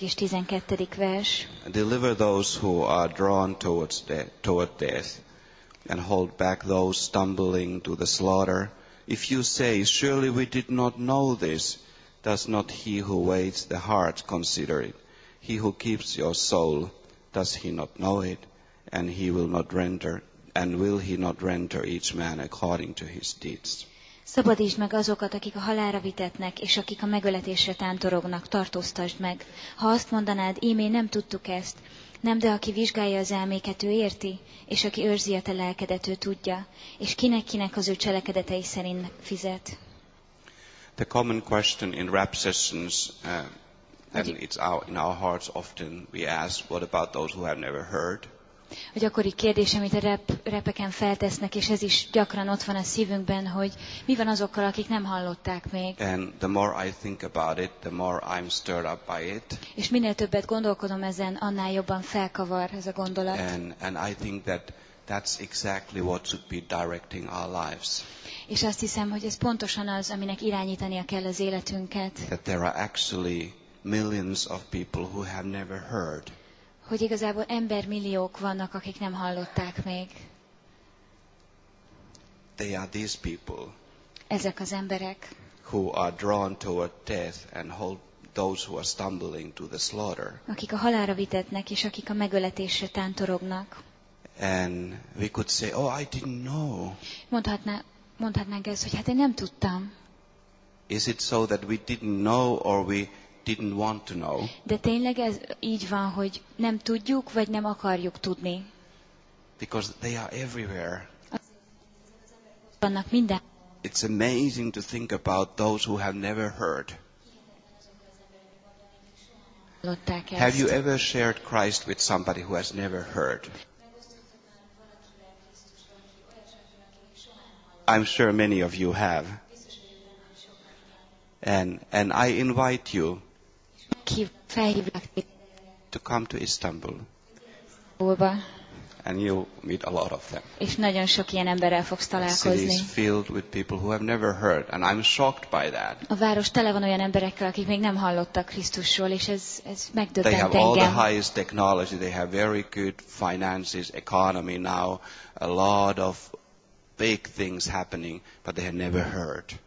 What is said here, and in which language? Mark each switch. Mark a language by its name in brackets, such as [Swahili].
[Hungarian] és 12. vers. [English] Deliver those who are drawn toward death, and hold back those stumbling to the slaughter. If you say, surely we did not know this, does not he who weighs the heart consider it? He who keeps your soul, does he not know it? And he will not render, and will he not render each man according to his deeds? [Hungarian] Szabadítsd meg azokat, akik a halálra vitetnek, és akik a megöletésre tántorognak, tartóztasd meg. Ha azt mondanád, ímé nem tudtuk ezt, nem, de aki vizsgálja az elméket, ő érti, és aki őrzi a te lelkedet, ő tudja, és kinek-kinek az ő cselekedetei szerint fizet. [English] The common question in rap sessions, and it's in our hearts often, we ask, what about those who have never heard? [Hungarian] A gyakori kérdés, amit a repeken feltesznek, és ez is gyakran ott van a szívünkben, hogy mi van azokkal, akik nem hallották még. [English] And the more I think about it, the more I'm stirred up by it. [Hungarian] És minél többet gondolkodom ezen, annál jobban felkavar ez a gondolat. [English] And I think that that's exactly what should be directing our lives. [Hungarian] És azt hiszem, hogy ez pontosan az, aminek irányítania kell az életünket. [English] That there are actually millions of people who have never heard. [Hungarian] Hogy igazából embermilliók vannak, akik nem hallották még. [English] They are these people. [Hungarian] Ezek az emberek. [English] who are drawn toward death and hold those who are stumbling to the slaughter. [Hungarian] Akik a halálra vitetnek és akik a megöletésre tántorognak. [English] And we could say, oh, I didn't know. [Hungarian] Mondhatnánk ezt, hogy hát én nem tudtam. [English] Is it so that we didn't know or we didn't want to know? [Hungarian] De tényleg ez így van, hogy nem tudjuk vagy nem akarjuk tudni. [English] Because they are everywhere. [Hungarian] Vannak minden. [English] It's amazing to think about those who have never heard. Have you ever shared Christ with somebody who has never heard? I'm sure many of you have. And I invite you to come to Istanbul. And you meet a lot of them. [Hungarian] És nagyon sok ilyen emberrel fogsz találkozni. [English] The city is filled with people who have never heard, and I'm shocked by that. [Hungarian] A város tele van olyan emberekkel, akik még nem hallottak Krisztusról, és ez megdöbbent engem. [English] They have all the highest technology. They have very good finances, economy now, a lot of big things happening, but they have never heard.